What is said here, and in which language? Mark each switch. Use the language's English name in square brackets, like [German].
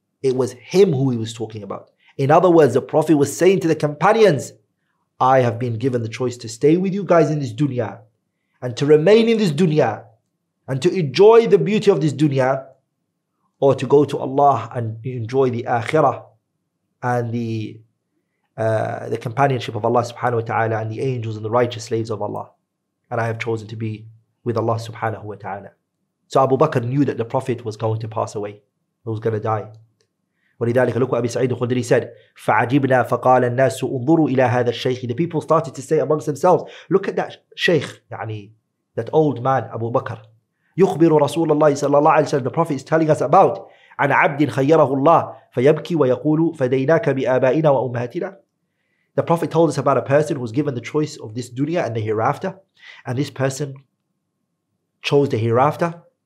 [English] It was him who he was talking about. In other words, the Prophet was saying to the companions, I have been given the choice to stay with you guys in this dunya and to remain in this dunya and to enjoy the beauty of this dunya, or to go to Allah and enjoy the akhirah and the companionship of Allah subhanahu wa ta'ala and the angels and the righteous slaves of Allah. And I have chosen to be with Allah subhanahu wa ta'ala. So Abu Bakr knew that the Prophet was going to pass away. He was going to die. [Arabic] ولذلك لكم أبي سعيد الخدري [English] said, [Arabic] فعجبنا فقال الناس انظروا إلى هذا الشيخ. [English] The people started to say amongst themselves, look at that sheikh, يعني that old man Abu Bakr. [Arabic] يخبر رسول الله صلى الله عليه وسلم, [English] the Prophet is telling us about, [Arabic] عن عبد خيره الله فيبكي ويقول فديناك بآبائنا وأمهاتنا. [English] The Prophet told us about a person who was given the choice of this dunya and the hereafter, and this person chose the hereafter.